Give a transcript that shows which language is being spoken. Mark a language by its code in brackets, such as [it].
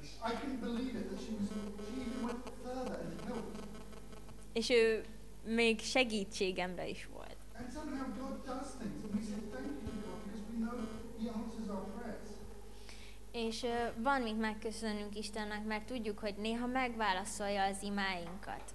[en] I couldn't believe it that she even went further and helped. [hu] És ő még segítségemre is volt. [en] And somehow God does things, and we say thank you, God, because we know He answers our prayers. [hu] És van, mit megköszönünk Istennek, mert tudjuk, hogy néha megválaszolja az imáinkat.